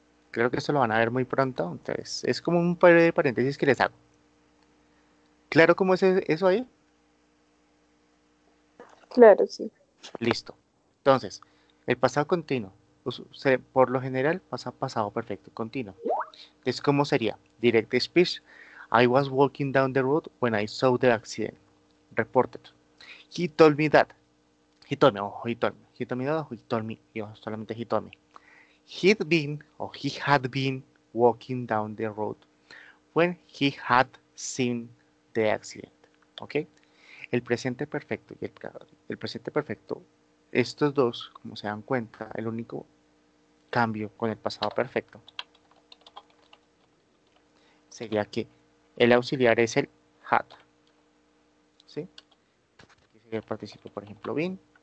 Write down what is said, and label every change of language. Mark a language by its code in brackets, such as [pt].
[es] Creo que esto lo van a ver muy pronto. Entonces, es como un par de paréntesis que les hago. ¿Claro cómo es eso ahí? Claro, sí. Listo. Entonces, el pasado continuo, por lo general, pasa pasado perfecto continuo. Entonces, ¿cómo sería? Direct speech. [en] I was walking down the road when I saw the accident. Reported. He told me that. He told me, [es] ojo, [en] he told me that, he told me, [es] yo solamente [en] he told me. He'd been, or he had been, walking down the road when he had seen the accident. ¿Ok? [es] El presente perfecto y el presente perfecto, estos dos, como se dan cuenta, el único cambio con el pasado perfecto sería que el auxiliar es el had. ¿Sí? Aquí sería el participio, por ejemplo, been.